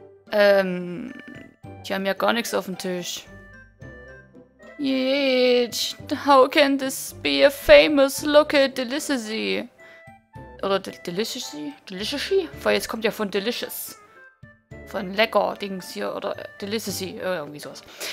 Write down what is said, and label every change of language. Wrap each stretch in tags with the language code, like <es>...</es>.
<de>Die haben ja gar nichts auf dem Tisch.</de> <en>Yeech, how can this be a famous local delicacy?</en> <de>Oder delicacy? Delicacy? Weil jetzt kommt ja von delicious. Von lecker Dings hier, oder delicacy, irgendwie sowas.</de>